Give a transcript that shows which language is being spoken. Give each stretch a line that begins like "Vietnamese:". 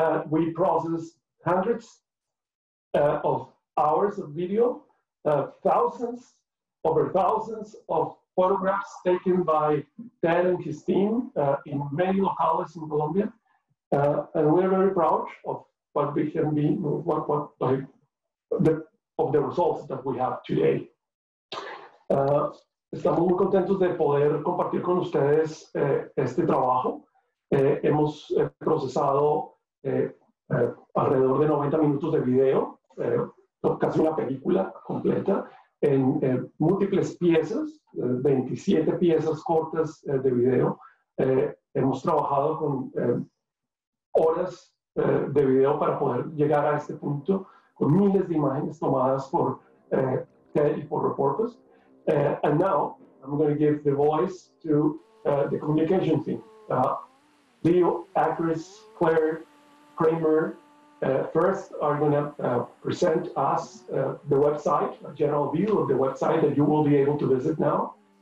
English: We process hundreds of hours of video, thousands, over thousands of photographs taken by Ted and his team in many locales in Colombia. And we're very proud of what we can be, of the results that we have today.
Spanish: Estamos muy contentos de poder compartir con ustedes este trabajo. Hemos procesado alrededor de 90 minutos de video, casi una película completa, en múltiples piezas, 27 piezas cortas de video. Hemos trabajado con horas de video para poder llegar a este punto, con miles de imágenes tomadas por TED y por reportes.
English: And now I'm going to give the voice to the communication team. Leo, Akers, Claire, Kraemer first are going to present us the website, a general view of the website that you will be able to visit now.